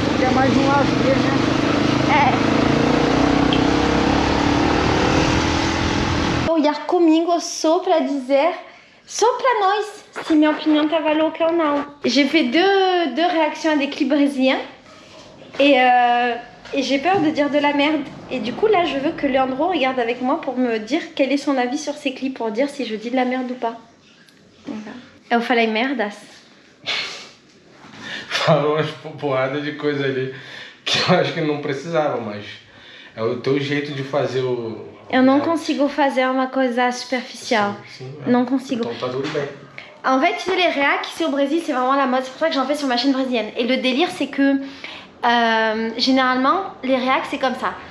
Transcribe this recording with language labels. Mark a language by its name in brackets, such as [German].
[Portuguese] É mais um lazer, né? É. Vou olhar comigo só para dizer, só para nós, se minha opinião estava louca ou não. [French] J'ai fait deux réactions à des clips brésiliens et j'ai peur de dire de la merde. Et du coup, là, je veux que Leandro regarde avec moi pour me dire quel est son avis sur ces clips, pour dire si je dis de la merde ou pas. [Portuguese] Voilà. Eu falei merdas. Falou umas porradas de coisa ali que eu acho que não precisava, mas é o teu jeito de fazer o... Eu não consigo fazer uma coisa superficial. Sim, não consigo. Então tá tudo bem. [French] En fait, tu sais, les réacs ici au Brésil, c'est vraiment la mode. C'est pour ça que j'en fais sur ma chaîne brésilienne. Et le délire, c'est que généralement, les réacs, c'est comme ça.